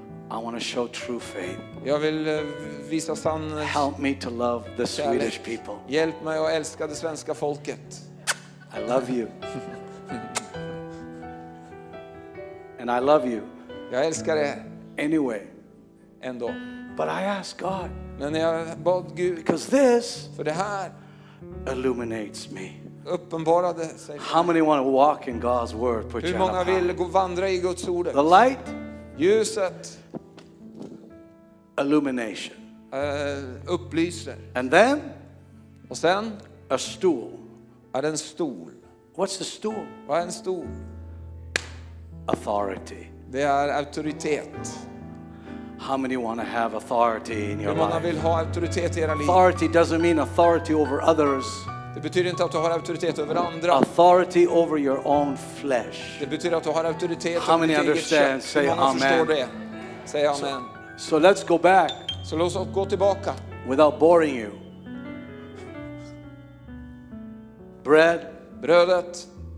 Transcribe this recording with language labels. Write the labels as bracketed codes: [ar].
[en] I want to show true faith. [sv] Jag vill visa sann. [en] Help me to love the Swedish people. [sv] Hjälp mig att älska det svenska folket. [en] I love you. And I love you. [sv] Jag älskar dig. [en] Anyway. [sv] Ändå. [en] But I ask God. [sv] Men jag bad Gud. [en] Because this. [sv] För det här. [en] Illuminates me. [sv] Uppenbarade sig. [en] How many want to walk in God's word? [sv] Hur många vill gå vandra i Guds ord? [en] The light. [sv] Ljuset. [en] Illumination. [sv] Upplyser. [en] And then. [sv] Och sen. [en] A stool. [sv] Är en stol. [en] What's the stool? [sv] Vad är en stol? [en] Authority. [sv] Det är auktoritet. [en] How many want to have authority in your [sv] life? Hur många vill ha auktoritet i era liv? [en] Authority doesn't mean authority over others. [sv] Det betyder inte att du har auktoritet över andra. [en] Authority over your own flesh. [sv] Det betyder att du har auktoritet. [en] How many understand? Say amen. Say amen. So let's go back. [sv] Så låt oss gå tillbaka. [en] Without boring you. Bread, [sv] brödet.